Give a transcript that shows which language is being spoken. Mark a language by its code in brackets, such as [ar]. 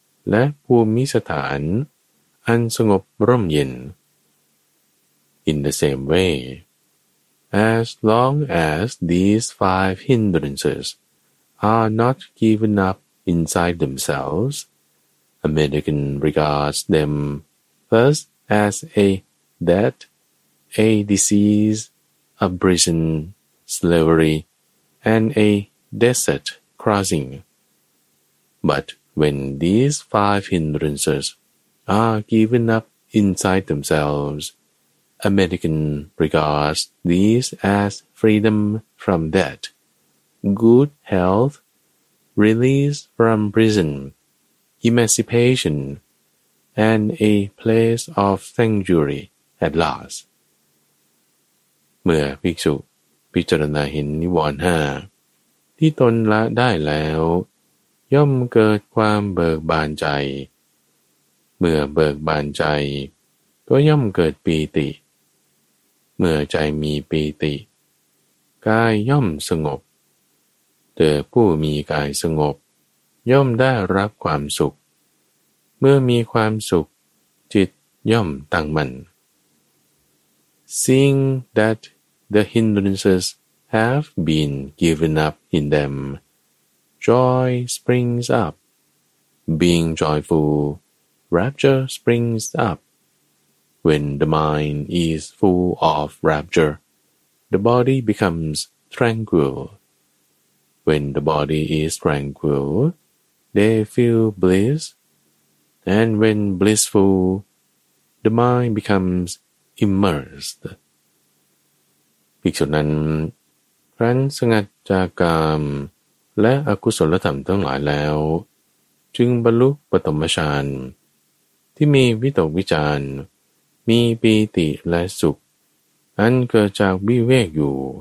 [th] และภูมิสถานอันสงบร่มเย็น [en] In the same wayAs long as these five hindrances are not given up inside themselves, a mendicant regards them first as a debt, a disease, a prison, slavery, and a desert crossing. But when these five hindrances are given up inside themselves,A mendicant regards these as freedom from debt, good health, release from prison, emancipation, and a place of sanctuary at last. [th] เมื่อภิกษุพิจารณาเห็นนิวรณ์ห้าที่ตนละได้แล้วย่อมเกิดความเบิกบานใจ เมื่อเบิกบานใจก็ย่อมเกิดปีติเมื่อใจมีปีติกายย่อมสงบเด็กผู้มีกายสงบย่อมได้รับความสุขเมื่อมีความสุขจิตย่อมตั้งมั่น [en] Seeing that the hindrances have been given up in them, joy springs up. Being joyful, rapture springs up. When the mind is full of rapture, the body becomes tranquil. When the body is tranquil, they feel bliss. And when blissful, the mind becomes immersed. [th] ภิกษุนั้นครั้นสงัดจากกามและอกุศลธรรมทั้งหลายแล้วจึงบรรลุปฐมฌานที่มีวิตกวิจารณ์มีปีติและสุขอันเกิดจากวิเวกอยู่